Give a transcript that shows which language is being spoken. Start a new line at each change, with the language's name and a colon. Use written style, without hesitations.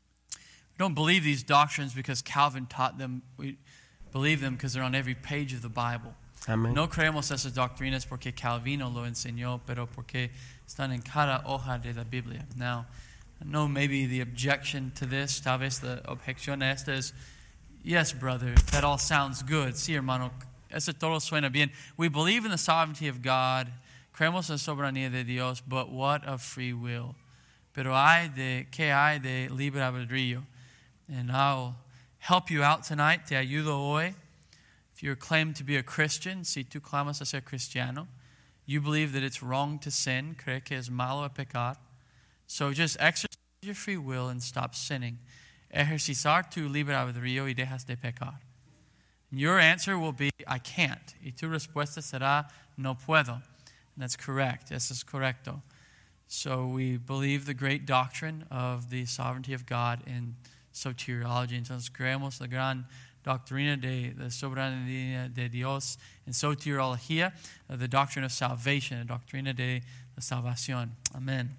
English: We don't believe these doctrines because Calvin taught them. Believe them because they're on every page of the Bible. Amen.
Spanish: No creemos esas doctrinas porque Calvino lo enseñó, pero porque están en cada hoja de la Biblia.
English: Now, I know maybe the objection to this,
Spanish: tal vez la objeción a esta es,
English: yes, brother, that all sounds good.
Spanish: Sí, hermano, eso todo suena bien.
English: We believe in the sovereignty of God,
Spanish: creemos en la soberanía de Dios,
English: but what of free will?
Spanish: Pero hay de, ¿qué hay de libre albedrío?
English: And now, help you out tonight,
Spanish: te ayudo hoy.
English: If you claim to be a Christian,
Spanish: si tú clamas a ser cristiano,
English: you believe that it's wrong to sin,
Spanish: cree que es malo a pecar.
English: So just exercise your free will and stop sinning.
Spanish: Ejercitar tu libre albedrío y dejas de pecar.
English: And your answer will be, I can't.
Spanish: Y tu respuesta será, no puedo.
English: And that's correct.
Spanish: Eso es correcto.
English: So we believe the great doctrine of the sovereignty of God in soteriology.
Spanish: Entonces creemos la gran doctrina de la soberanía de Dios en soteriología,
English: the doctrine of salvation,
Spanish: la doctrina de la salvación. Amen.